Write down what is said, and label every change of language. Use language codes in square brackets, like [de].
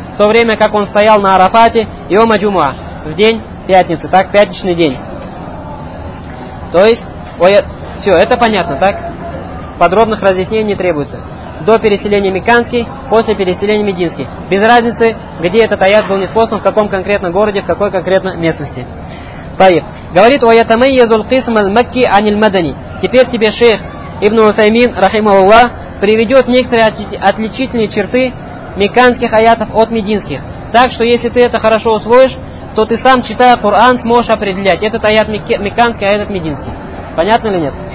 [ru] В то время, как он стоял на Арафате. Йома джумуа. В день пятницы. Так, пятничный день. То есть, все, это понятно, так? Подробных разъяснений не требуется. До переселения Мекканский, после переселения Мединский. Без разницы, где этот аят был ниспослан, в каком конкретном городе, в какой конкретной местности. Таиб. Говорит, [ar] وَيَتَمَيَّزُ الْقِسْمُ الْمَكِّي عَنِ الْمَدَنِي. [ru] Теперь тебе шейх Ибн Усаймин, рахимахуллах, приведет некоторые отличительные черты Мекканских аятов от Мединских. Так что, если ты это хорошо усвоишь, то ты сам, читая Коран, сможешь определять, этот аят Мекканский, а этот Мединский. Понятно или нет?